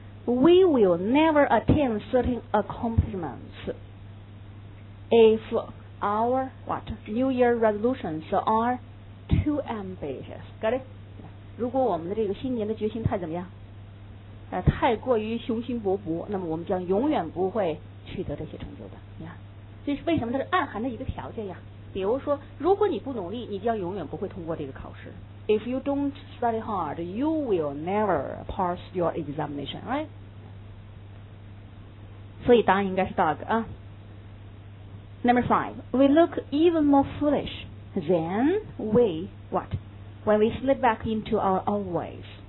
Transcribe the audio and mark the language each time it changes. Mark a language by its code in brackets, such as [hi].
[en] We will never attain certain accomplishments if our what New Year resolutions are too ambitious. Got it? [zh] 如果我们的这个新年的决心太怎么样？太过于雄心勃勃，那么我们将永远不会取得这些成就的。你看，这是为什么？它是暗含的一个条件呀。比如说，如果你不努力，你将永远不会通过这个考试。 [en] If you don't study hard, you will never pass your examination, right? [zh] 所以答案应该是 [en] dog 啊。 Number five, we look even more foolish than we what when we slip back into our old ways.